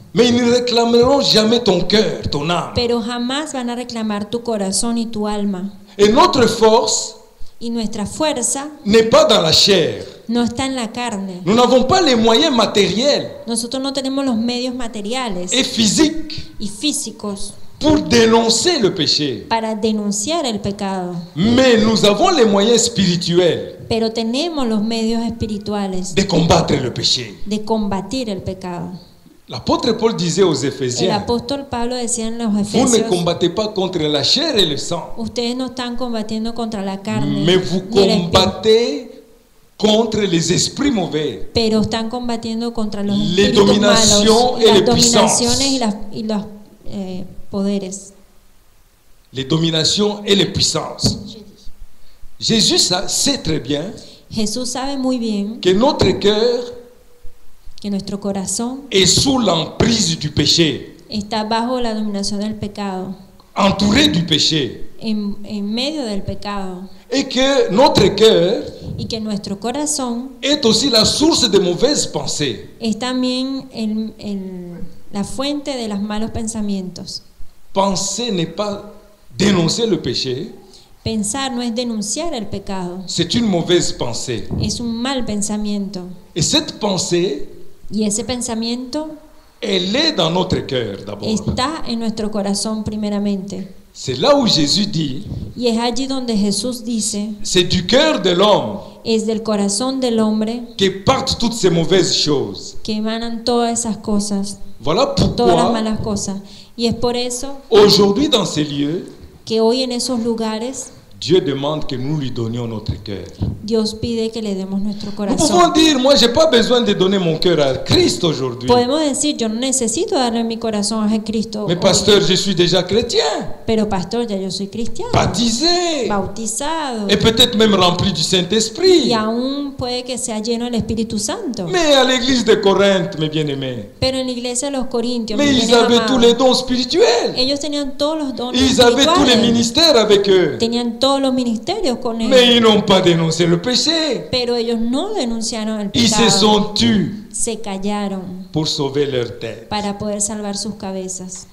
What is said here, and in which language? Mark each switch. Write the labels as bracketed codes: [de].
[fr] Mais ils ne réclameront jamais ton cœur, ton âme. [es] Pero jamás van a reclamar tu corazón y tu alma. [fr] Et notre force. [es] Y nuestra fuerza. [fr] N'est pas dans la chair. [es] No está en la carne. [fr] Nous n'avons pas les moyens matériels. [es] Nosotros no tenemos los medios materiales. [fr] Et physique. [es] Y físicos. [fr] Pour dénoncer le péché. [es] Para denunciar el pecado. [fr] Mais nous avons les moyens spirituels. [es] Pero tenemos los medios espirituales. [fr] De combattre le péché. [es] De combatir el pecado. [fr] L'apôtre Paul disait aux Éphésiens. [es] El apóstol Pablo decía en los Efesios. [fr] Vous ne combattez pas contre la chair et le sang. [es] Ustedes no están combatiendo contra la carne. [fr] Mais vous combattez contre les esprits mauvais. [es] Pero están combatiendo contra los espíritus [fr] malos. Les dominations et les puissances. Poderes. Les dominations et les puissances. Jésus sait très bien. [es] Jesús sabe muy bien. [fr] Que notre cœur. [es] Que nuestro corazón. [fr] Est sous l'emprise du péché. [es] Está bajo la dominación del pecado. [fr] Entouré du péché. [es] en medio del pecado. [fr] Et que notre cœur [es] y que nuestro corazón [fr] est aussi la source de mauvaises pensées. [es] Es también la fuente de los malos pensamientos. [fr] Penser n'est pas dénoncer le péché. [es] Pensar no es denunciar el pecado. [fr] C'est une mauvaise pensée. [es] Es un mal pensamiento. [fr] Et cette pensée, [es] y ese pensamiento, [fr] elle est dans notre cœur d'abord. [es] Está en nuestro corazón primeramente. [fr] C'est là où Jésus dit, [es] y es allí donde Jesús dice, [fr] c'est du cœur de l'homme, [es] es del corazón del hombre, [fr] que partent toutes ces mauvaises choses. [es] Que emanan todas esas cosas. [fr] Voilà pourquoi, [es] todas las malas cosas. Y es por eso, [fr] aujourd'hui dans ces lieux, [es] que hoy en esos lugares, [fr] Dieu demande que nous lui donnions notre cœur. [es] Dios pide que le demos nuestro corazón. [fr] Nous pouvons dire, moi, j'ai pas besoin de donner mon cœur à Christ aujourd'hui. [es] Podemos decir, yo no necesito darle mi corazón a Cristo. [fr] Mais pasteur, je suis déjà chrétien. [es] Pero pastor, ya yo soy cristiano. [fr] Baptisé. [es] Bautizado. [fr] Et peut-être même rempli du Saint-Esprit. [es] Y aún puede que sea lleno del Espíritu Santo. [fr] Mais à l'église de Corinthe, mes bien-aimés. [es] Pero en la iglesia de los Corintios. [fr] Mais ils avaient tous les dons spirituels. [es] Ellos tenían todos los dones. [fr] Ils avaient tous les ministères avec eux. [es] Tenían todos los ministerios con él. [fr] Mais ils n'ont pas dénoncé le péché. [es] Pero ellos no denunciaron el pecado. [fr] Y se sont tus. [es] Se callaron. [fr] Pour sauver leur tête. [es] Para poder salvar sus cabezas.